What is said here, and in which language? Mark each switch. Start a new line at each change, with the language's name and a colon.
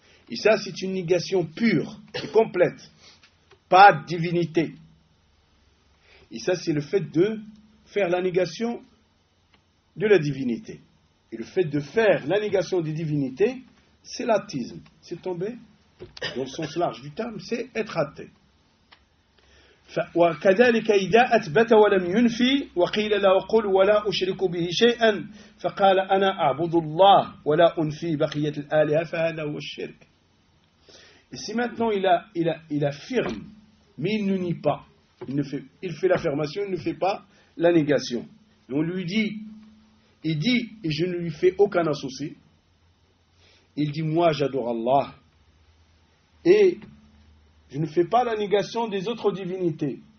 French: Et ça, c'est une négation pure et complète. Pas de divinité. Et ça, c'est le fait de faire la négation de la divinité. Et le fait de faire la négation des divinités, c'est l'athéisme. C'est tomber, dans le sens large du terme, c'est être athée.
Arabic: وكذلك إذا أثبت ولم ينفي وقيل لا أقول ولا أشرك به شيئا فقال أنا أعبد الله ولا أنفي بقية الآلهة فهذا هو الشرك.
French: Si maintenant il affirme, mais il ne nie pas, il fait l'affirmation, il ne fait pas la négation. Et on lui dit, il dit, et je ne lui fais aucun associé. Il dit, moi j'adore Allah. Et je ne fais pas la négation des autres divinités.